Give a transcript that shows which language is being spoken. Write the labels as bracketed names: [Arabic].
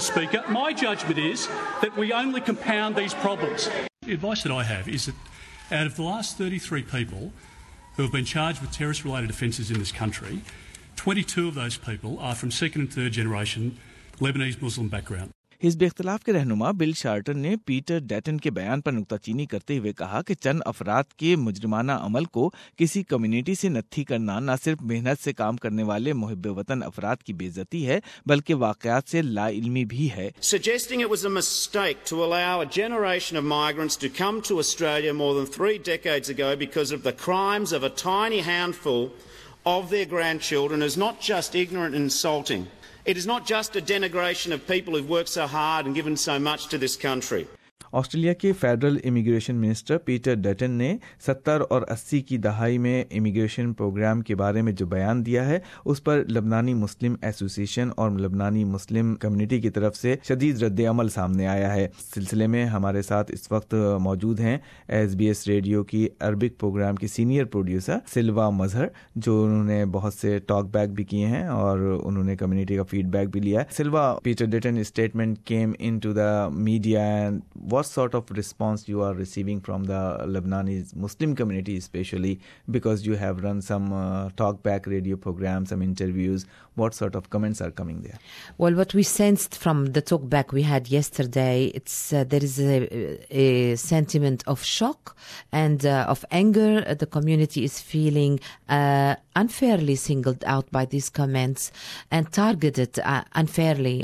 [English] Speaker, my judgment is that we only compound these problems. The advice that I have is that out of the last 33 people who have been charged with terrorist-related offences in this country, 22 of those people are from second and third generation Lebanese Muslim background. [Urdu] حزب اختلاف کے رہنما بل shorten نے Peter Dutton کے بیان پر نکتہ چینی کرتے ہوئے کہا کہ چند افراد کے مجرمانہ عمل کو کسی کمیونٹی سے نتھی کرنا نہ صرف محنت سے کام کرنے والے محب وطن افراد کی بے عزتی ہے بلکہ واقعات سے لا علمی بھی ہے۔ [English] Suggesting it was a mistake to allow a generation of migrants to come to Australia more than 3 decades ago because of the crimes of a tiny handful of their grandchildren is not just ignorant and insulting. It is not just a denigration of people who've worked so hard and given so much to this country. [Urdu] Australia کے federal immigration minister Peter Dutton نے 70 اور 80 کی دہائی میں immigration programme کے بارے میں جو بیان دیا ہے اس پر لبنانی مسلم ایسوسی ایشن اور لبنانی مسلم کمیونٹی کی طرف سے شدید رد عمل سامنے آیا ہے۔ سلسلے میں ہمارے ساتھ اس وقت موجود ہیں ایس بی ایس ریڈیو کی عربک پروگرام کی سینئر پروڈیوسر سلوا مظہر، جو انہوں نے بہت سے ٹاک بیک بھی کیے ہیں اور انہوں نے کمیونٹی کا فیڈ بیک بھی لیا ہے۔ [English] Silva, Peter Dutton statement came in to the media, and What sort of response you are receiving from the Lebanese Muslim community, especially because you have run some talk back radio programs, some interviews, what sort of comments are coming there? Well, what we sensed from the talk back we had yesterday, there is a sentiment of shock and of anger. The community is feeling unfairly singled out by these comments and targeted unfairly.